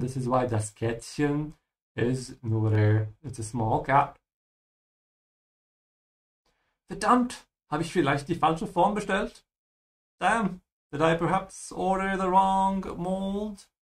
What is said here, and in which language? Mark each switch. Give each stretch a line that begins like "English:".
English: This is why das Kätzchen is nur a, it's a small cat.
German: Verdammt, habe ich vielleicht die falsche Form bestellt?
English: Damn, did I perhaps order the wrong mold?